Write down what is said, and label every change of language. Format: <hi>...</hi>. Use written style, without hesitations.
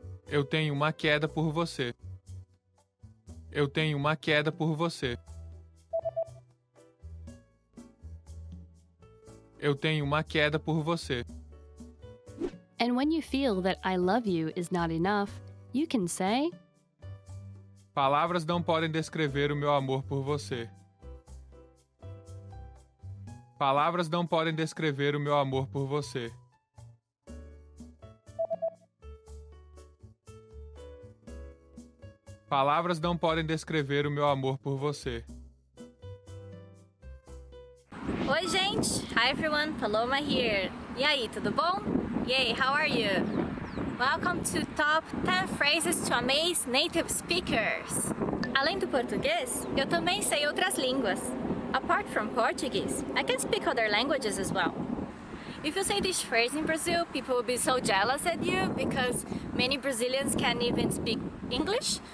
<pt>Eu tenho uma queda por você. Eu tenho uma queda por você. Eu tenho uma queda por você.</pt> <en>And when you feel that I love you is not enough, you can say...</en> <pt>Palavras não podem descrever o meu amor por você. Palavras não podem descrever o meu amor por você. Palavras não podem descrever o meu amor por você. Oi, gente!</pt> <en>Hi, everyone! Paloma here!</en> <pt>E aí, tudo bom?</pt> <en>Yay, how are you? Welcome to Top 10 Phrases to Amaze Native Speakers!</en> <pt>Além do português, eu também sei outras línguas.</pt> <en>Apart from Portuguese, I can speak other languages as well. If you say this phrase in Brazil, people will be so jealous at you because many Brazilians can't even speak English.</en>